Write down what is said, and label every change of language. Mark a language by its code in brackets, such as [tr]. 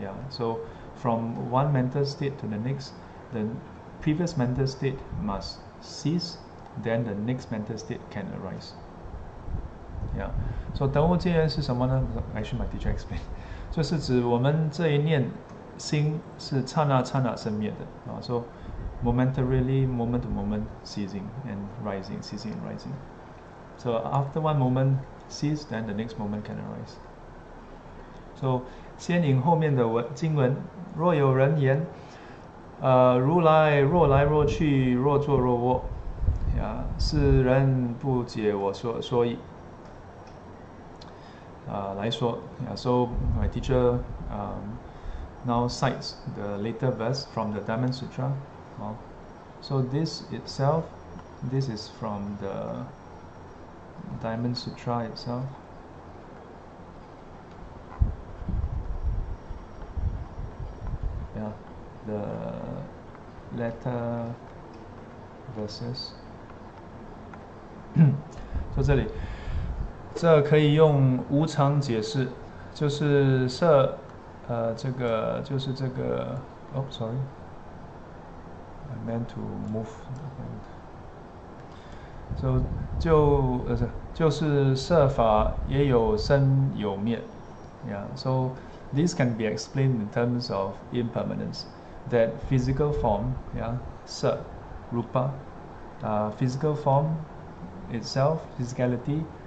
[en] So from one mental state to the next, the previous mental state must cease, then the next mental state can arise. [zh] So 等无间缘是什么呢? [en] Actually, my teacher explained. [zh] 就是指我们这一念心是刹那刹那生灭的, [en] so momentarily, moment to moment, ceasing and rising. So after one moment cease, then the next moment can arise. So [zh] 先引后面的经文, 若有人言，如来若来若去，若坐若卧，呀，是人不解我说意。 [en] 来说，yeah, so my teacher now cites the later verse from the Diamond Sutra. Well, so this itself, this is from the Diamond Sutra itself. Yeah, the later verses. [zh] 说这里。这可以用无常解释，就是色，这个就是这个。 [en] Oh, sorry, I meant to move. [zh] So, 就是色法也有生有灭。 [en] Yeah, so this can be explained in terms of impermanence. That physical form, yeah, 色 rupa, physical form itself, physicality.